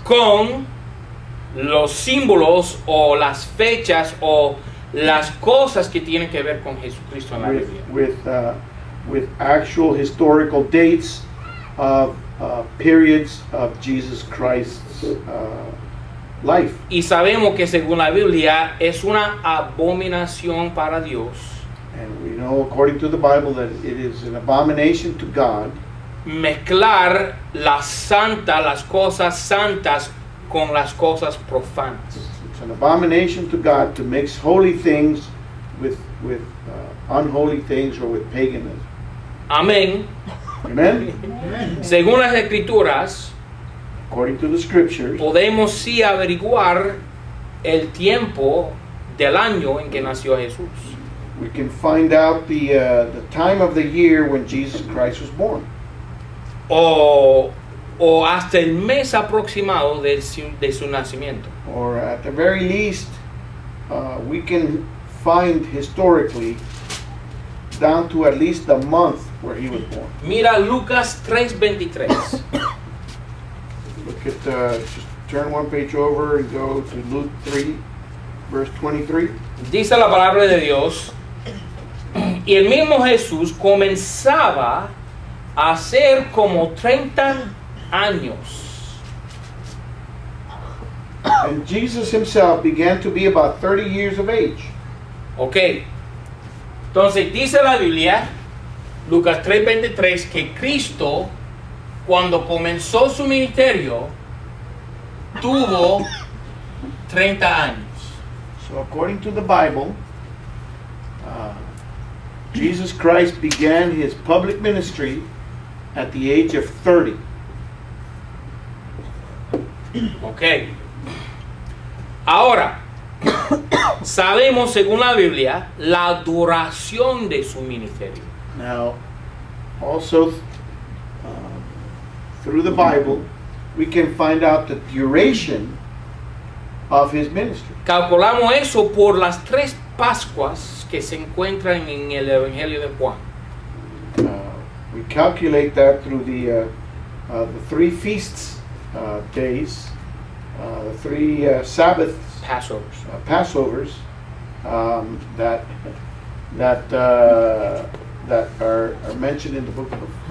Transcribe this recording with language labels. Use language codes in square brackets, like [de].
[es] con los símbolos o las fechas o las cosas que tienen que ver con Jesucristo en la Biblia. [en] With actual historical dates of periods of Jesus Christ's life. [es] Y sabemos que según la Biblia es una abominación para Dios. [en] And we know according to the Bible that it is an abomination to God. [es] mezclar las santas, las cosas santas, con las cosas profanas. [en] It's an abomination to God to mix holy things with unholy things or with paganism. [es] Amén. [en] Amen. [es] Según las escrituras, [en] according to the scriptures, [es] podemos sí averiguar el tiempo del año en que nació Jesús. [en] We can find out the time of the year when Jesus Christ was born. [es] O hasta el mes aproximado de su nacimiento. [en] Or at the very least, we can find historically down to at least the month where he was born. [es] Mira Lucas 3:23. [en] Look at just turn one page over and go to Luke 3, verse 23. [es] Dice la palabra de Dios. Y el mismo Jesús comenzaba a ser como 30 años. [en] And Jesus himself began to be about 30 years of age. Okay. [es] Entonces dice la Biblia, Lucas 3:23, que Cristo, cuando comenzó su ministerio, tuvo 30 años. [en] So according to the Bible, Jesus Christ began his public ministry at the age of 30. Okay. [es] Ahora, sabemos según la Biblia la duración de su ministerio. [en] Now, also through the Bible, we can find out the duration of his ministry. [es] Calculamos eso por las tres Pascuas que se encuentran en el Evangelio de Juan. [en] We calculate that through the three feasts days, the three Sabbaths, Passovers, that are mentioned in the book of